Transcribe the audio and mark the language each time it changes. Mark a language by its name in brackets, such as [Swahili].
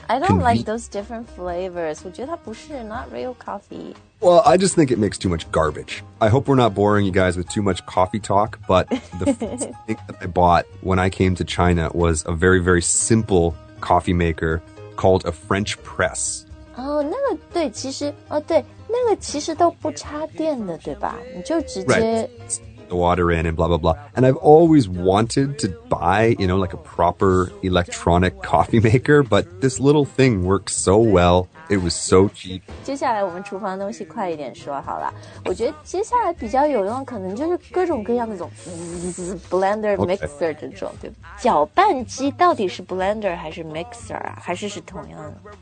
[English] I don't like those different flavors. [Chinese] 我觉得它不是 [English] not real coffee. Well, I just think it makes too much garbage. I hope we're not boring you guys with too much coffee talk, but the first thing that I bought when I came to China was a very, very simple coffee maker called a French press. [Chinese] Oh, 那个对其实哦对那个其实都不插电的对吧你就直接、 [English] right. the water in and blah blah blah and I've always wanted to buy you know like a proper electronic coffee maker but this little thing works so well it was so cheap [Chinese] 接下来我们厨房东西快一点说好了我觉得接下来比较有用可能就是各种各样的种 blender mixer 这种、okay. 对吧搅拌机到底是 blender 还是 mixer 啊还是是同样的